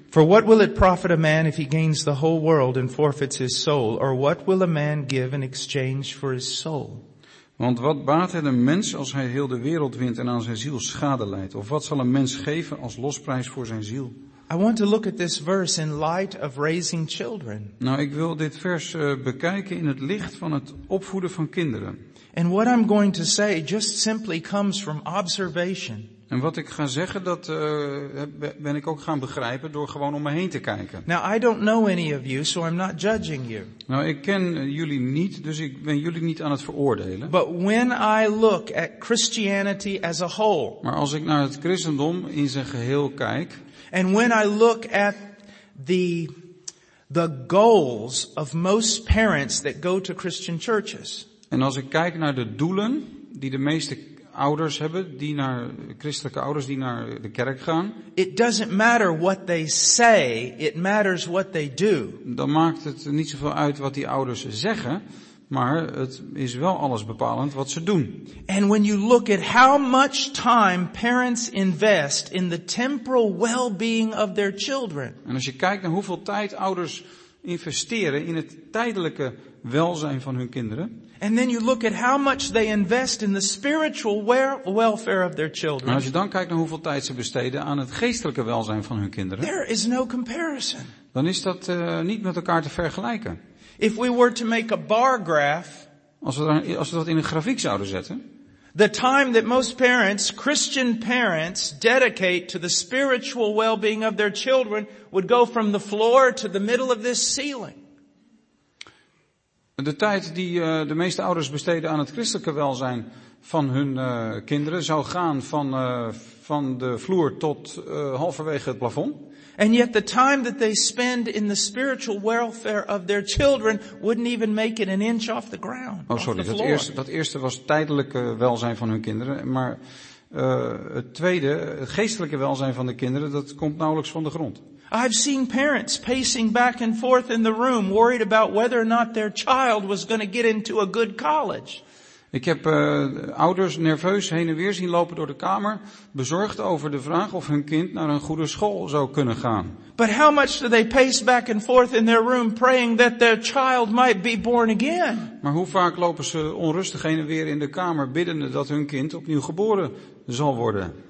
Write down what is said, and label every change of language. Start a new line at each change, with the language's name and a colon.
English: For what will it profit a man if he gains the whole world and forfeits his soul? Or what will a man give in exchange for his soul?
Dutch: Want wat baat het een mens als hij heel de wereld wint en aan zijn ziel schade leidt? Of wat zal een mens geven als losprijs voor zijn ziel?
English: I want to look at this verse in light of raising children.
Dutch: Nou, ik wil dit vers bekijken in het licht van het opvoeden van kinderen.
English: And what I'm going to say just simply comes from observation.
Dutch: En wat ik ga zeggen, dat ben ik ook gaan begrijpen door gewoon om me heen te kijken.
English: Now I don't know any of you, so I'm not judging you.
Dutch: Nou, ik ken jullie niet, dus ik ben jullie niet aan het veroordelen.
English: But when I look at Christianity as a whole.
Dutch: Maar als ik naar het christendom in zijn geheel kijk.
English: And when I look at the goals of most parents that go to Christian churches.
Dutch: En als ik kijk naar de doelen die de meeste ouders hebben, die naar christelijke ouders die naar de kerk gaan.
English: It doesn't matter what they say, it matters what they do.
Dutch: Dan maakt het niet zoveel uit wat die ouders zeggen, maar het is wel alles bepalend wat ze doen.
English: And when you look at how much time parents invest in the temporal well-being of their children.
Dutch: En als je kijkt naar hoeveel tijd ouders investeren in het tijdelijke welzijn van hun kinderen.
English: And then you look at how much they invest in the spiritual welfare of their children.
Dutch: Maar als je dan kijkt naar hoeveel tijd ze besteden aan het geestelijke welzijn van hun kinderen.
English: There is no comparison.
Dutch: Dan is dat niet met elkaar te vergelijken.
English: If we were to make a bar graph.
Dutch: Als we dat in een grafiek zouden zetten.
English: The time that most parents, Christian parents, dedicate to the spiritual well-being of their children would go from the floor to the middle of this ceiling.
Dutch: De tijd die de meeste ouders besteden aan het christelijke welzijn van hun kinderen zou gaan van de vloer tot halverwege het plafond.
English: And yet the time that they spend in the spiritual welfare of their children wouldn't even make it an inch off the ground.
Dutch: Oh, sorry, dat eerste was tijdelijke welzijn van hun kinderen, maar het tweede, het geestelijke welzijn van de kinderen, dat komt nauwelijks van de grond.
English: I've seen parents pacing back and forth in the room, worried about whether or not their child was going to get into a good college.
Dutch: Ik heb ouders nerveus heen en weer zien lopen door de kamer, bezorgd over de vraag of hun kind naar een goede school zou kunnen gaan.
English: But how much do they pace back and forth in their room praying that their child might be born again?
Dutch: Maar hoe vaak lopen ze onrustig heen en weer in de kamer biddende dat hun kind opnieuw geboren zal worden?